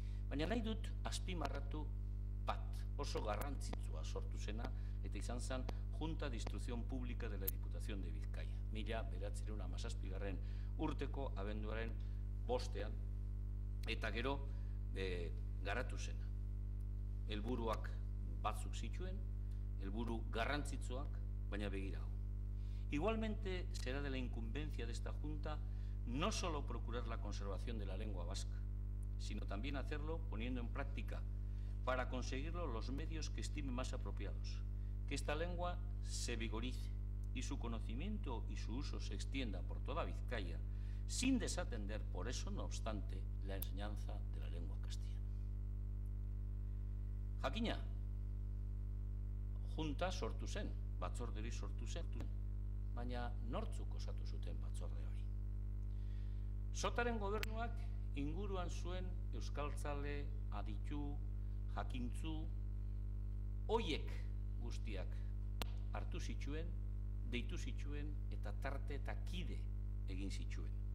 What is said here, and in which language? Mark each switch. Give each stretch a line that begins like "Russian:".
Basque: Baina nahi dut azpimarratu bat, oso garrantzitsua sortu zena eta izan zen Junta de Instrucción Pública de la Diputación de Bizkaia. 1917 urteko abenduaren 5ean eta gero garatu zena. Helburuak batzuk zituen, helburu garrantzitsuak, baina begira hau.
Spanish: Igualmente será de la incumbencia de esta Junta no solo procurar la conservación de la lengua vasca, sino también hacerlo poniendo en práctica para conseguirlo los medios que estime más apropiados, que esta lengua se vigorice y su conocimiento y su uso se extienda por toda Vizcaya, sin desatender por eso, no obstante, la enseñanza de la lengua castellana.
Basque: Jakina, Junta sortu zen, batzorderi sortu zen, baina nortzuk osatu zuten batzorde hori. Sotaren gobernuak inguruan zuen euskaltzale, aditu, jakintzu, hoiek guztiak hartu zituen, deitu zituen eta tarte eta kide egin zituen.